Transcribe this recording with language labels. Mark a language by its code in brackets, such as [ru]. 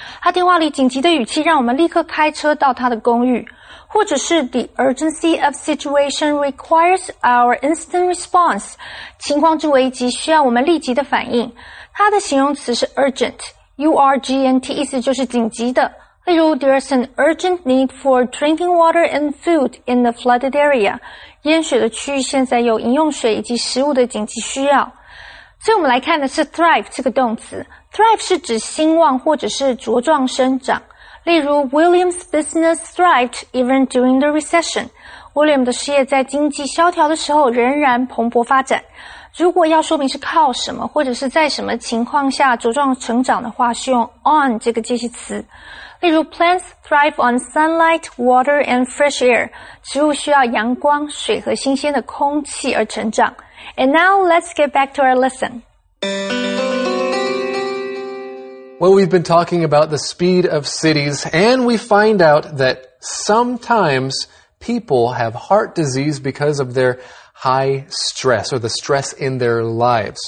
[zh] 她电话里紧急的语气让我们立刻开车到她的公寓。或者是 [en] the urgency of situation requires our instant response. [zh] 情况之危急需要我们立即的反应。它的形容词是 urgent, U-R-G-N-T, 意思就是紧急的。例如 [en] ,there is an urgent need for drinking water and food in the flooded area. [zh] 淹水的区域现在有饮用水以及食物的紧急需要。所以我们来看的是 thrive 这个动词。thrive 是指兴旺或者是茁壮生长。例如 [en] ,William's business thrived even during the recession. [zh] William 的事业在经济萧条的时候仍然蓬勃发展。如果要说明是靠什么或者是在什么情况下茁壮成长的话是用 on 这个介系词。例如 [en] ,plants thrive on sunlight, water, and fresh air. [zh] 植物需要阳光、水和新鲜的空气而成长。 [en] And now, let's get back to our lesson. Well, we've been talking about the speed of cities, and we find out that sometimes people have heart disease because of their high stress or the stress in their lives.